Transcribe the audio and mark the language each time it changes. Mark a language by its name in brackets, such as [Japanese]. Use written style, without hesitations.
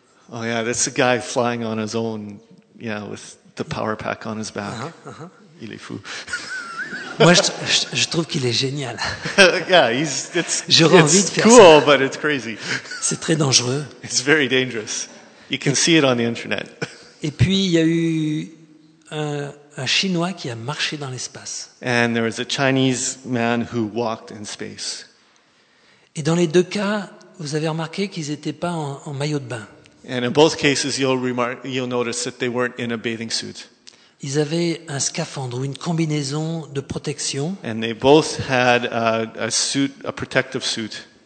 [English] Oh yeah, that's a guy flying on his own, yeah, with the power pack on his back. [French] Il est fou. Moi, je trouve qu'il est génial. [English] Yeah, [French] j'aurais envie de faire [English] cool, [French] ça. [English] It's cool, but it's crazy. [French] C'est très dangereux. [English] It's very dangerous. You can see it on the internet. [French] Et puis, il y a eu un Chinois qui a marché dans l'espace. [English] And there was a Chinese man who walked in space. [French] Et dans les deux cas, vous avez remarqué qu'ils n'étaient pas en maillot de bain. [English] And in both cases, you'll notice that they weren't in a bathing suit. [French] Ils avaient un scaphandre ou une combinaison de protection. [English] And they both had a suit, a protective suit.